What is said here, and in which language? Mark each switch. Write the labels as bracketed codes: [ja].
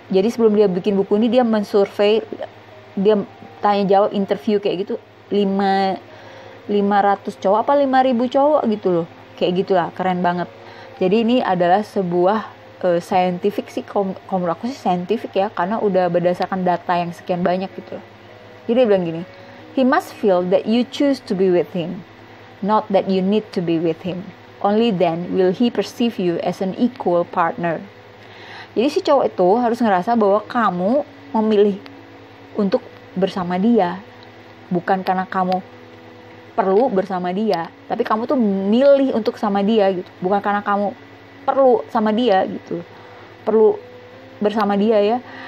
[id] Jadi sebelum dia bikin buku ini, dia mensurvey, dia tanya jawab, interview kayak gitu 500 cowok apa 5.000 cowok gitu loh, kayak gitulah, keren banget. Jadi ini adalah sebuah scientific sih, kalau menurut aku sih scientific ya, karena udah berdasarkan data yang sekian banyak gitu loh. Jadi dia bilang gini, [en] he must feel that you choose to be with him, not that you need to be with him. Only then will he perceive you as an equal partner. [id] Jadi si cowok itu harus ngerasa bahwa kamu memilih untuk bersama dia, bukan karena kamu perlu bersama dia, tapi kamu tuh milih untuk sama dia gitu, bukan karena kamu perlu sama dia gitu, perlu bersama dia ya.